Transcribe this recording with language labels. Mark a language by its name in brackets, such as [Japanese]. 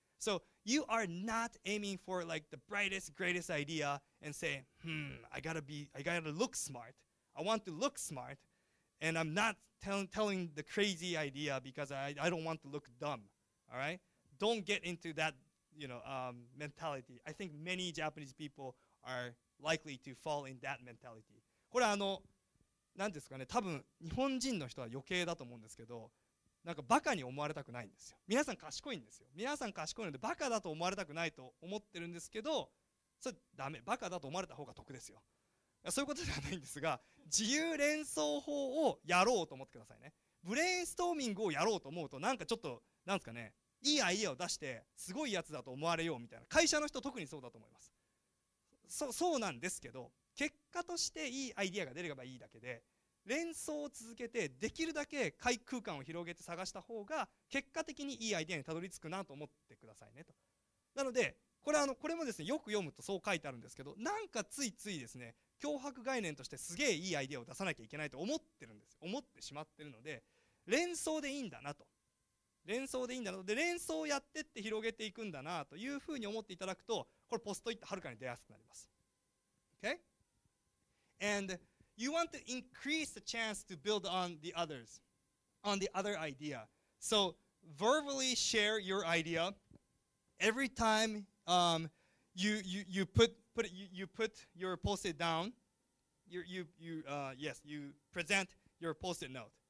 [English] So you are not aiming for like the brightest, greatest idea and say, I gotta look smart. I want to look smart, and I'm not telling the crazy idea because I don't want to look dumb. All right? Don't get into that, you know, mentality. I think many Japanese people are likely to fall in that mentality. [Japanese] これあの、なんですかね、多分日本人の人は余計だと思うんですけど、なんかバカに思われたくないんですよ。皆さん賢いんですよ。皆さん賢いのでバカだと思われたくないと思ってるんですけど、それダメ、バカだと思われた方が得ですよ。そういうことではないんですが、自由連想法をやろうと思ってくださいね。ブレインストーミングをやろうと思うと、なんかちょっと、なんですかね、いいアイデアを出してすごいやつだと思われようみたいな、会社の人特にそうだと思います。そうなんですけど、結果としていいアイデアが出ればいいだけで、連想を続けてできるだけ回空間を広げて探した方が結果的にいいアイデアにたどり着くなと思ってくださいね。となので、これあのこれもですね、よく読むとそう書いてあるんですけど、なんかついついですね、脅迫概念としてすげえいいアイデアを出さなきゃいけないと思ってるんです、思ってしまってるので、連想でいいんだなと、連想でいいんだなと、で連想をやってって広げていくんだなというふうに思っていただくと、これポストイットはるかに出やすくなります。 [English] Okay? And you want to increase the chance to build on the others, on the other idea. So verbally share your idea. Every time you put your post-it down, you present your post-it note.